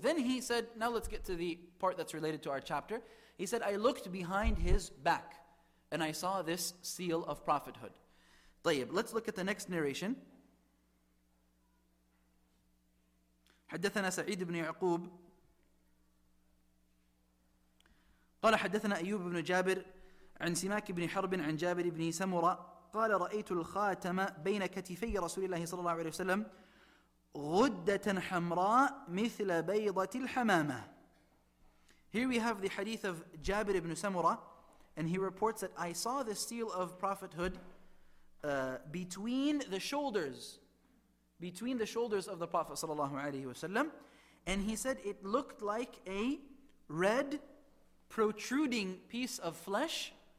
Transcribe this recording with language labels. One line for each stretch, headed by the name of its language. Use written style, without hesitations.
English: Then he said, now let's get to the part that's related to our chapter. He said, I looked behind his back and I saw this seal of prophethood.
Arabic: طيب.
English: Let's look at the next narration.
Arabic: حدثنا سعيد بن يعقوب قال حدثنا أيوب بن جابر عن سماك بن حرب عن جابر بن سمرة قال رأيت الخاتم بين كتفي رسول الله صلى الله عليه وسلم غدة حمراء مثل بيضة الحمامة.
English: Here we have the hadith of Jabir ibn Samura, and he reports that I saw the seal of prophethood between the shoulders of the Prophet
Arabic: صلى الله عليه وسلم,
English: and he said it looked like a red protruding piece of flesh.